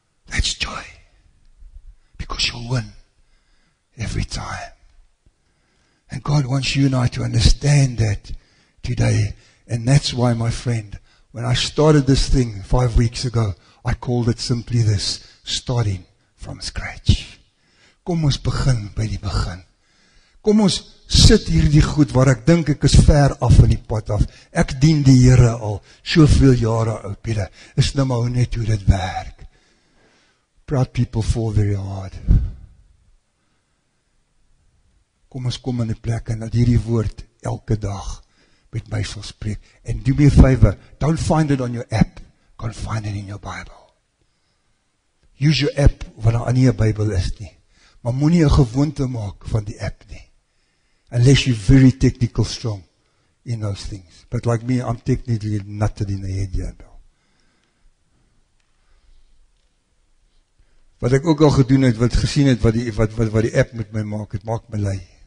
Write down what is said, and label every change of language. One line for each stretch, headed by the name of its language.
English: That's joy. Because you'll win. every time. And God wants you and I to understand that today. And that's why, my friend, when I started this thing 5 weeks ago, I called it simply this, starting from scratch.
Afrikaans: Kom ons begin by die begin. Kom ons sit hierdie goed waar ek dink ek is ver af van die pad af. Ek dien die Here al soveel jare, ou Pieter. Is nou maar net hoe dit werk.
English: Proud people fall very hard.
Afrikaans: Kom ons kom in die plek en dat hierdie woord elke dag met my sal spreek.
English: And do me a favor, don't find it on your app. Go and find it in your Bible. Use your app
Afrikaans: wanneer daar nie 'n Bybel is nie. Maar moenie 'n gewoonte maak van die app nie.
English: Unless you're very technical strong in those things. But like me, I'm technically nutted in the head here now.
Afrikaans: Wat ek ook al gedoen het, wat gesien het, wat die app met my maak, het maak my lei.